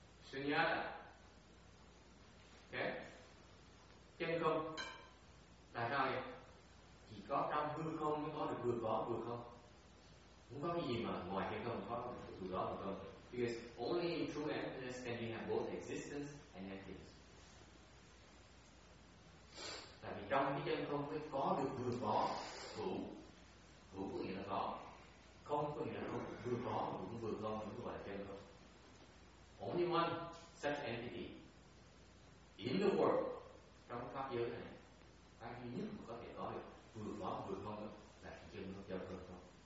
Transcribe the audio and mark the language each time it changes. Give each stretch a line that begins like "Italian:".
Vietnamese: Shunyata. Okay? Kim Kong. Tại sao vậy? Chỉ có trong hư không mới có được vừa có vừa không. Không có cái gì mà ngoài Kim Kong có được vừa có vừa không.
English: Because only in true emptiness can we have both existence and emptiness.
Vietnamese: Tại vì trong cái chân không mới có được vừa có hữu. Hữu có nghĩa là có. Không có nghĩa là không. Vừa có cũng vừa không cũng gọi là chân không.
English: Only one such entity in the world,
Vietnamese: trong pháp giới này, cái duy nhất có thể có được vừa có vừa không được là chân không, chân không, không.